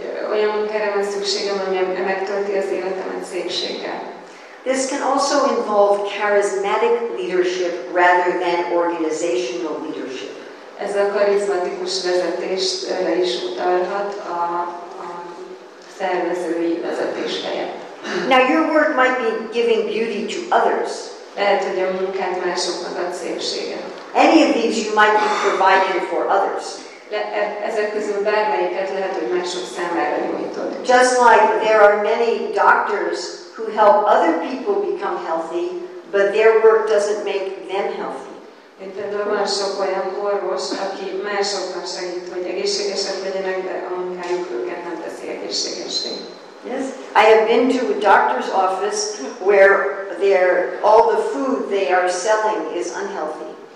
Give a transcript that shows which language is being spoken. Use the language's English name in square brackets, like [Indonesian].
[Hungarian] Olyan munkára van szükségem, ami megtölti az életemet szépséggel. [English] This can also involve charismatic leadership rather than organizational leadership. [Hungarian] Ez a karizmatikus vezetés is utalhat a szervezői vezetés helyett. [English] Now your work might be giving beauty to others. [Hungarian] Lehet, hogy a munkád másoknak ad szépséget. [English] Any of these you might be providing for others. [Hungarian] Ezek közül bármelyiket lehet, hogy mások számára nyújtod. [English] Just like there are many doctors who help other people become healthy, but their work doesn't make them healthy. [Hungarian] Itt például van sok olyan orvos, aki másoknak segít, hogy egészségesek legyenek, de a munkájuk őket nem teszi egészségesé. [English] Yes. I have been to a doctor's office where their all the food they are selling is unhealthy.